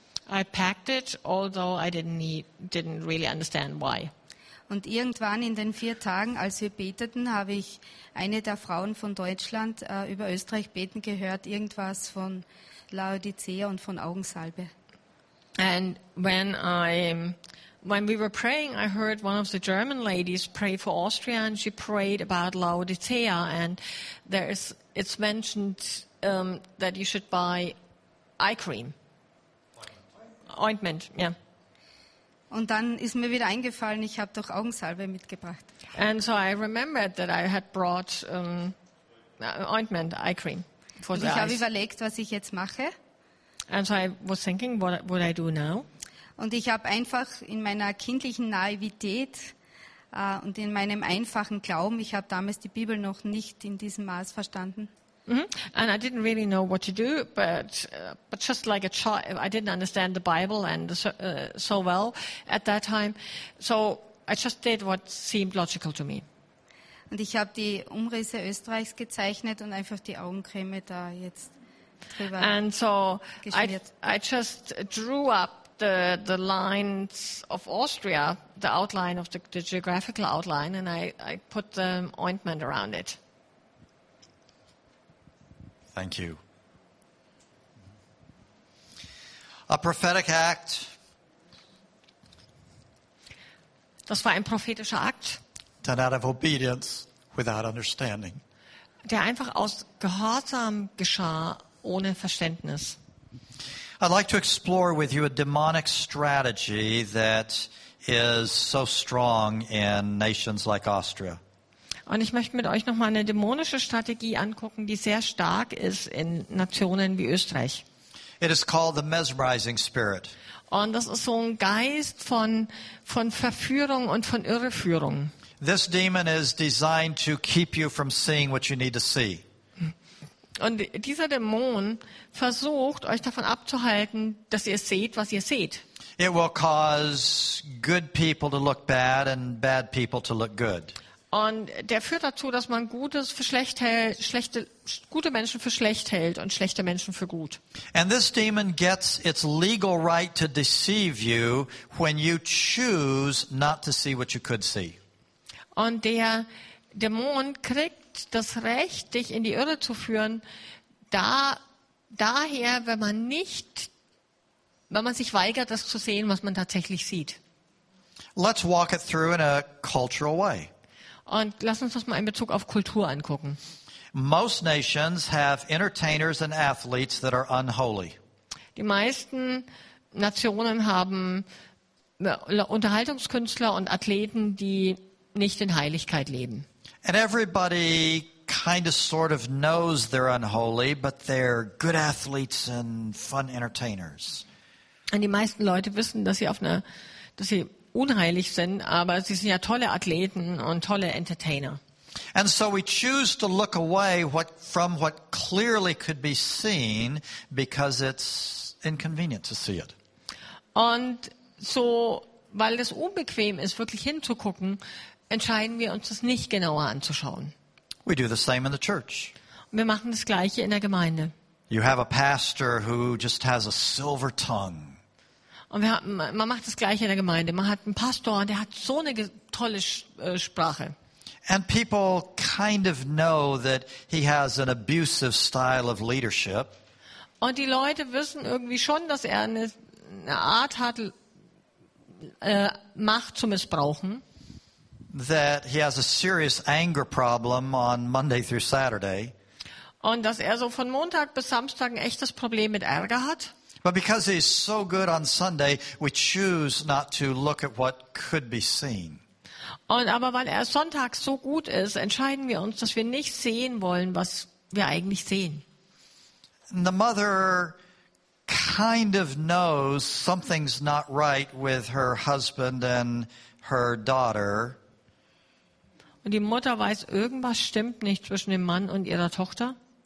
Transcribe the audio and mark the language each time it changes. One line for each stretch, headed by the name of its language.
English: I packed it, although I didn't really understand why.
German: Und irgendwann in den 4 Tagen, als wir beteten, habe ich eine der Frauen von Deutschland über Österreich beten gehört, irgendwas von Laodicea und von Augensalbe.
English: And when we were praying, I heard one of the German ladies pray for Austria, and she prayed about Laodicea, and it's mentioned that you should buy eye cream. Ointment, yeah.
German: Und dann ist mir wieder eingefallen, ich habe doch Augensalbe mitgebracht.
English: And so I remembered that I had brought ointment, eye cream for the eyes.
German: Ich habe überlegt, was ich jetzt mache.
English: And so I was thinking, what I do now.
German: Und ich habe einfach in meiner kindlichen Naivität und in meinem einfachen Glauben, ich habe damals die Bibel noch nicht in diesem Maß verstanden. Mm-hmm.
English: And I didn't really know what to do, but just like a child, I didn't understand the Bible and so well at that time. So I just did what seemed logical to me.
German: Und ich habe die Umrisse Österreichs gezeichnet und einfach die Augencreme da jetzt drüber.
English: And so I just drew up the lines of Austria, the outline of the geographical outline, and I put the ointment around it. Thank you. A prophetic act.
German: Das war ein prophetischer Akt.
English: Done out of obedience without understanding.
German: Der einfach aus Gehorsam geschah ohne Verständnis.
English: I'd like to explore with you a demonic strategy that is so strong in nations like Austria.
German: Und ich möchte mit euch noch mal eine dämonische Strategie angucken, die sehr stark ist in Nationen wie Österreich.
English: It is called the mesmerizing spirit.
German: Und das ist so ein Geist von Verführung und von Irreführung.
English: This demon is designed to keep you from seeing what you need to see.
German: Und dieser Dämon versucht euch davon abzuhalten, dass ihr seht, was ihr seht.
English: It will cause good people to look bad and bad people to look good.
German: Und der führt dazu, dass man Gutes für schlecht hält, gute Menschen für schlecht hält und schlechte Menschen für gut.
English: And this demon gets its legal right to deceive you when you choose not to see what you could see.
German: Und der Dämon kriegt das Recht, dich in die Irre zu führen, daher, wenn man sich weigert, das zu sehen, was man tatsächlich sieht.
English: Let's walk it through in a cultural way.
German: Und lass uns das mal in Bezug auf Kultur angucken.
English: Most nations have entertainers and athletes that are unholy.
German: Die meisten Nationen haben Unterhaltungskünstler und Athleten, die nicht in Heiligkeit leben.
English: And everybody kind of sort of knows they're unholy, but they're good athletes and fun entertainers.
German: Und die meisten Leute wissen, dass sie unheilig sind, aber sie sind ja tolle Athleten und tolle Entertainer.
English: And so we choose to look away from what clearly could be seen because it's inconvenient to see it.
German: Und so, weil es unbequem ist, wirklich hinzugucken, entscheiden wir uns, das nicht genauer anzuschauen.
English: We do the same in the church.
German: Wir machen das Gleiche in der Gemeinde.
English: You have a pastor who just has a silver tongue.
German: Und man macht das Gleiche in der Gemeinde. Man hat einen Pastor, der hat so eine tolle Sprache.
English: And people kind of know that he has an abusive style of leadership.
German: Und die Leute wissen irgendwie schon, dass er eine Art hat, Macht zu missbrauchen.
English: That he has a serious anger problem on Monday through Saturday.
German: Und dass er so von Montag bis Samstag ein echtes Problem mit Ärger hat.
English: But because he's so good on Sunday, we choose not to look at what could be seen.
German: Und aber weil er sonntags so gut ist, entscheiden wir uns, dass wir nicht sehen wollen, was wir eigentlich sehen.
English: And the mother kind of knows something's not right with her husband and her daughter.
German: Und die Mutter weiß, irgendwas stimmt nicht zwischen dem Mann und ihrer Tochter.